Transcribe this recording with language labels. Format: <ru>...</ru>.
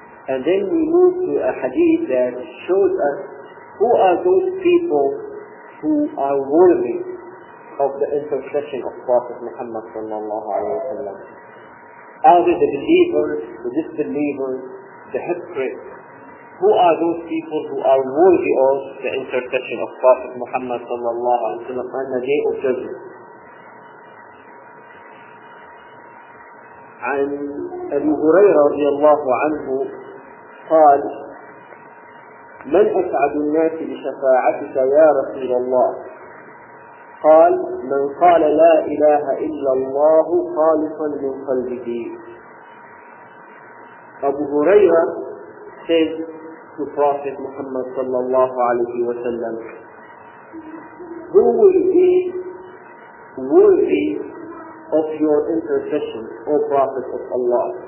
<en>And then we move to a hadith that shows us who are those people who are worthy of the intercession of Prophet Muhammad sallallahu alayhi wa sallam. Are they the believers, the disbelievers, the hypocrites? Who are those people who are worthy of the intercession of Prophet Muhammad sallallahu alayhi wa sallam on the day of judgment?</en> <ar>عن أبي هريرة رضي الله عنه قال من أسعد الناس بشفاعتك يا رسول الله قال من قال لا إله إلا الله خالصا من قلبه.</ar> <en>أبو هريرة said to Prophet Muhammad صلى الله عليه وسلم who will be worthy of your intercession, O Prophet of Allah?</en>